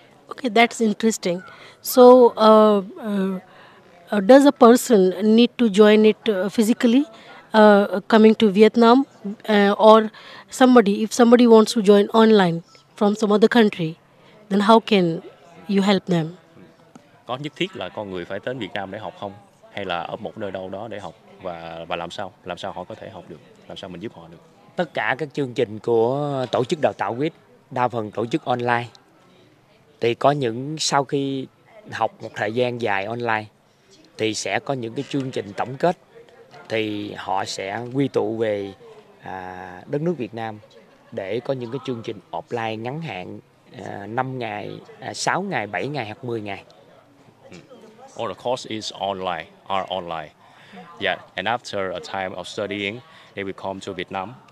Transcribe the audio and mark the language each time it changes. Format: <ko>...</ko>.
<en>Okay, that's interesting. So. Does a person need to join it physically coming to Vietnam or if somebody wants to join online from some other country, then how can you help them?</en> <vi>Có nhất thiết là con người phải đến Việt Nam để học không, hay là ở một nơi đâu đó để học và làm sao họ có thể học được, làm sao mình giúp họ được? Tất cả các chương trình của tổ chức đào tạo quýt đa phần tổ chức online, thì có những sau khi học một thời gian dài online thì sẽ có những cái chương trình tổng kết, thì họ sẽ quy tụ về đất nước Việt Nam để có những cái chương trình offline ngắn hạn 5 ngày, 6 ngày, 7 ngày hoặc 10 ngày.</vi> <en>All the course is online, are online. Yeah, and after a time of studying, they will come to Vietnam.</en>